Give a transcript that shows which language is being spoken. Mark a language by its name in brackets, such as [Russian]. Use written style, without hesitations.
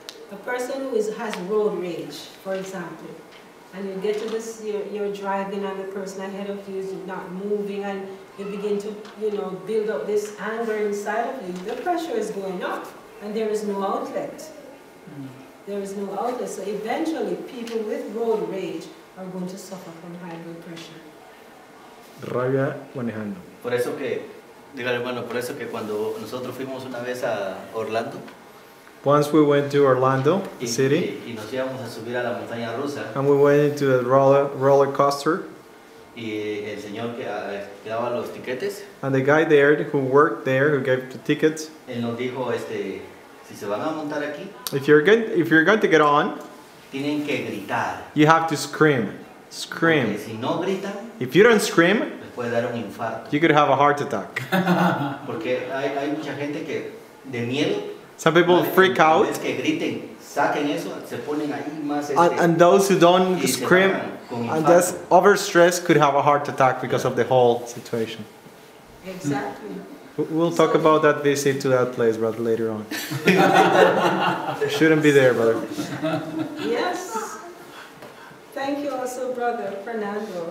[English] A person who has road rage, for example, and you get to this, you're driving and the person ahead of you is not moving and you begin to, you know, build up this anger inside of you, the pressure is going up and there is no outlet. There is no outlet. So eventually people with road rage are going to suffer from high blood pressure. [Spanish] Rabia manejando. Por eso que, dígale, bueno, por eso que cuando nosotros fuimos una vez a Orlando. [English] Once we went to Orlando, the city. [Spanish] Y nos íbamos a subir a la montaña rusa. [English] And we went into the roller coaster. [Spanish] Y el señor que daba los tiquetes. [English] And the guy there who worked there, who gave the tickets. [Spanish] Él nos dijo, si se van a montar aquí. [English] If you're going to get on. [Spanish] Tienen que gritar. [English] You have to scream. Scream. [Spanish] Si no gritan, [English] if you don't scream, [Spanish] puede dar un infarto. [English] You could have a heart attack. [Spanish] Porque hay mucha gente que de miedo, [English] some people freak out. [Spanish] Que griten, saquen eso, se ponen ahí más [English] and those who don't scream and just overstress could have a heart attack because of the whole situation. Exactly. We'll talk about that visit to that place, brother, later on. Shouldn't be there, brother. Yes. Thank you also, Brother Fernando.